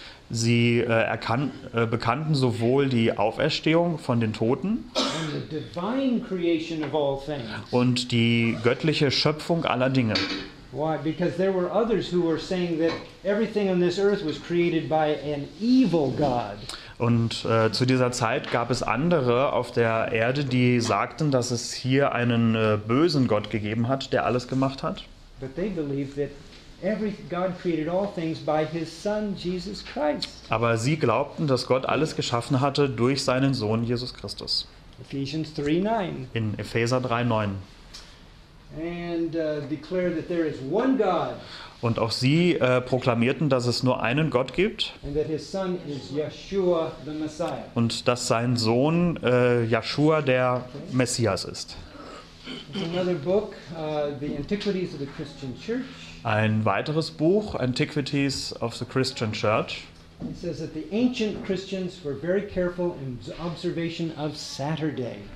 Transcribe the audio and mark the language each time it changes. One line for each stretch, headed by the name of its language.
German: Sie bekannten sowohl die Auferstehung von den Toten
English: and the divine creation of all things.
German: Und die göttliche Schöpfung aller Dinge.
English: Why? Because there were others who were saying that everything on this earth was created by an evil God.
German: Und zu dieser Zeit gab es andere auf der Erde, die sagten, dass es hier einen bösen Gott gegeben hat, der alles gemacht hat.
English: But they believed that every God created all things by his son Jesus Christ.
German: Aber sie glaubten, dass Gott alles geschaffen hatte durch seinen Sohn Jesus Christus.
English: Ephesians 3:9.
German: In Epheser 3:9.
English: And declare that there is one God.
German: Und auch sie proklamierten, dass es nur einen Gott gibt.
English: And that his son is Yeshua, the Messiah.
German: Und dass sein Sohn Yeshua der Messias ist.
English: It's another book, The Antiquities of the Christian Church.
German: Ein weiteres Buch, Antiquities of the Christian Church.
English: It says that the ancient Christians were very careful in observation of Saturday.